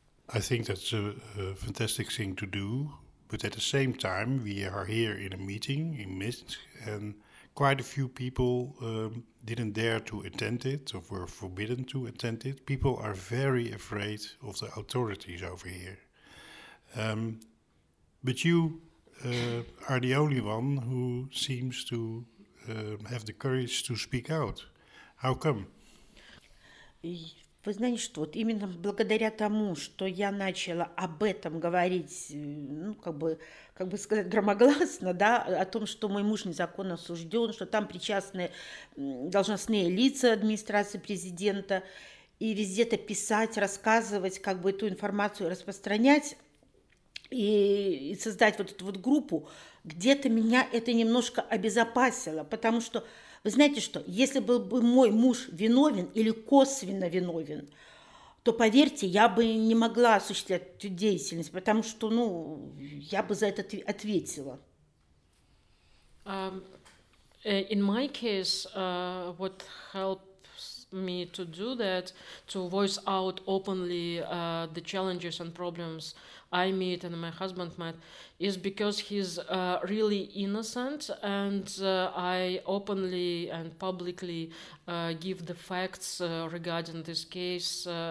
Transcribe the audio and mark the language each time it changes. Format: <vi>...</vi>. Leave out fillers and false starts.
<en>I think that's a fantastic thing to do, but at the same time we are here in a meeting in Minsk and quite a few people didn't dare to attend it or were forbidden to attend it. People are very afraid of the authorities over here. But you are the only one who seems to have the courage to speak out. How come?</en> <ru>Вы знаете, что вот именно благодаря тому, что я начала об этом говорить, ну, как бы сказать, громогласно, да, о том, что мой муж незаконно осужден, что там причастны должностные лица администрации президента, и везде это писать, рассказывать, как бы эту информацию распространять и создать вот эту вот группу, где-то меня это немножко обезопасило, потому что вы знаете что, если был бы мой муж виновен или косвенно виновен, то, поверьте, я бы не могла осуществлять эту деятельность, потому что, ну, я бы за это ответила.</ru> <en>In my case, what helps me to do that, to voice out openly the challenges and problems I meet and my husband met, is because he's really innocent, and I openly and publicly give the facts regarding this case</en>